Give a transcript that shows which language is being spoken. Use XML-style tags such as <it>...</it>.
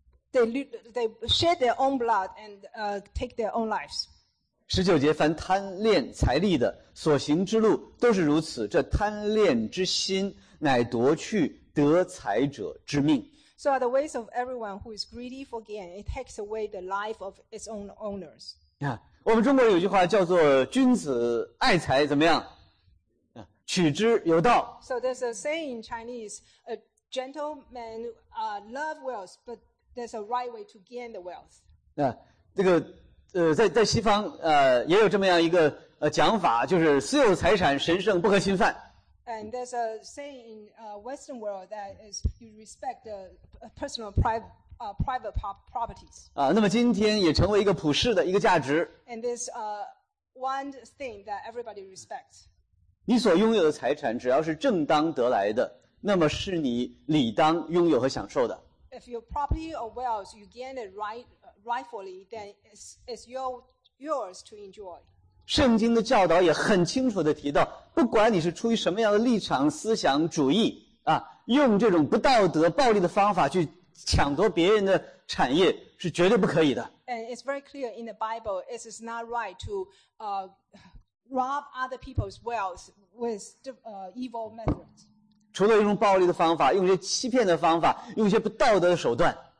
<en>They shed their own blood and take their own lives.</en> <zh>十九节，凡贪恋财力的所行之路都是如此，这贪恋之心乃夺去得财者之命。</zh> <en>So are the ways of everyone who is greedy for gain. It takes away the life of its own owners.</en> <zh>我们中国有句话叫做君子爱财怎么样，取之有道。</zh> <en>So there's a saying in Chinese, a gentleman love wealth, but there's a right way to gain the wealth.</en> <zh>这个在西方也有这么样一个讲法，就是私有财产神圣不可侵犯。</zh> <en>And there's a saying in Western world that is you respect the personal private properties.</en> <zh>啊，那么今天也成为一个普世的一个价值。</zh> <en>And this one thing that everybody respects.</en> <zh>你所拥有的财产只要是正当得来的，那么是你理当拥有和享受的。</zh> <en>If your property or wealth you gain it rightfully, then it's yours to enjoy.</en> <zh>圣经的教导也很清楚地提到，不管你是出于什么样的立场、思想、主义啊，用这种不道德、暴力的方法去抢夺别人的产业是绝对不可以的。</zh> <en>And it's very clear in the Bible, it is not right to rob other people's wealth with evil methods.</en> <zh>除了用暴力的方法，用一些欺骗的方法，用一些不道德的手段。</zh>